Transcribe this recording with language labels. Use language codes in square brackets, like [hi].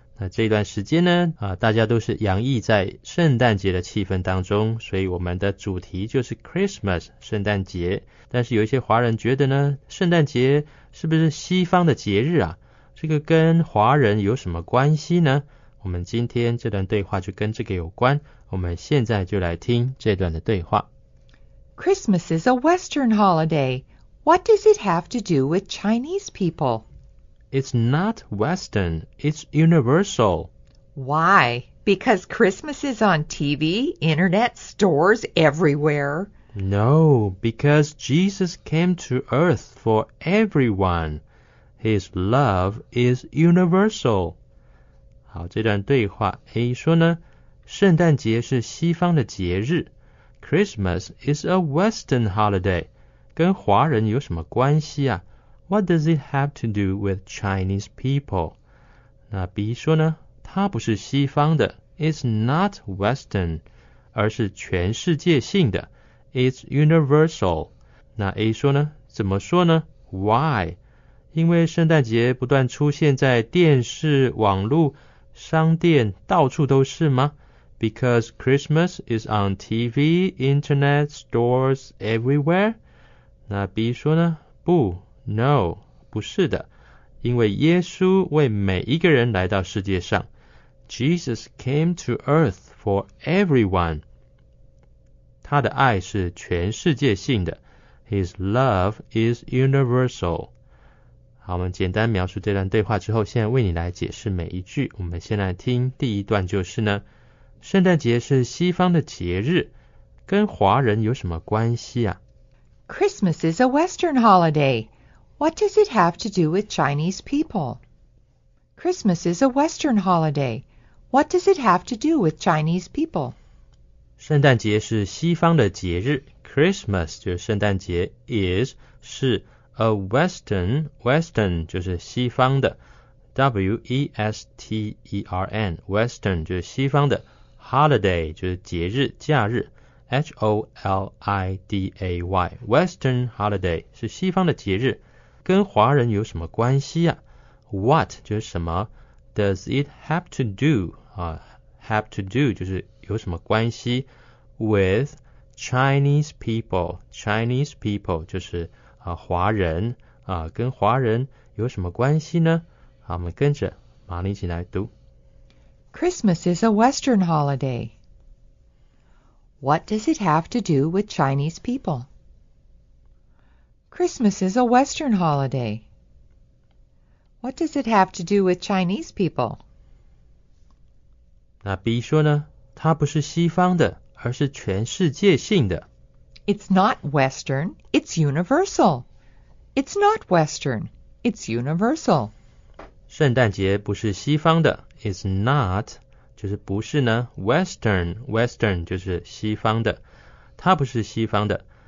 [zh] 那这段时间呢、大家都是洋溢在圣诞节的气氛当中，所以我们的主题就是 Christmas, 圣诞节。但是有一些华人觉得呢，圣诞节是不是西方的节日啊？这个跟华人有什么关系呢？我们今天这段对话就跟这个有关，我们现在就来听这段的对话。 [en] Christmas is a Western holiday. What does it have to do with Chinese people? It's not Western, it's universal. Why? Because Christmas is on TV, internet, stores, everywhere. No, because Jesus came to earth for everyone. His love is universal. [zh] 好，这段对话 A 说呢，圣诞节是西方的节日。 [en] Christmas is a Western holiday. [zh] 跟华人有什么关系啊？ [en] What does it have to do with Chinese people? [zh] 那 B 说呢，它不是西方的 , [en] it's not Western, [zh] 而是全世界性的 , [en] it's universal. [zh] 那 A 说呢，怎么说呢 ,why? 因为圣诞节不断出现在电视、网络、商店，到处都是吗 ? [en] Because Christmas is on TV, internet, stores, everywhere? [zh] 那 B 说呢，不。No, 不是的，因为耶稣为每一个人来到世界上。 [en] Jesus came to earth for everyone. [zh] 他的爱是全世界性的。 [en] His love is universal. [zh] 好，我们简单描述这段对话之后，现在为你来解释每一句。我们先来听第一段，就是呢，圣诞节是西方的节日，跟华人有什么关系啊？ [en] Christmas is a Western holiday. What does it have to do with Chinese people? Christmas is a Western holiday. What does it have to do with Chinese people? [zh] 圣诞节是西方的节日。 Christmas 就是圣诞节。 Is 是 a Western, Western 就是西方的。 W-E-S-T-E-R-N, Western 就是西方的。 Holiday 就是节日、假日。H-O-L-I-D-A-Y, Western holiday 是西方的节日。跟华人有什么关系啊 ?What 就是什么 ? [en] Does it have to do?、 [zh] have to do 就是有什么关系 ? [en] With Chinese people. [zh] Chinese people 就是、华人、跟华人有什么关系呢好我们跟着马丽一起来读。 [en] Christmas is a Western holiday. What does it have to do with Chinese people? Christmas is a Western holiday. What does it have to do with Chinese people? [zh] 那 B 说呢，它不是西方的，而是全世界性的。 [en] It's not Western, it's universal. It's not Western, it's universal. [zh] 圣诞节不是西方的 ， [en] it's not [zh] 就是不是呢 ？Western, Western 就是西方的，它不是西方的。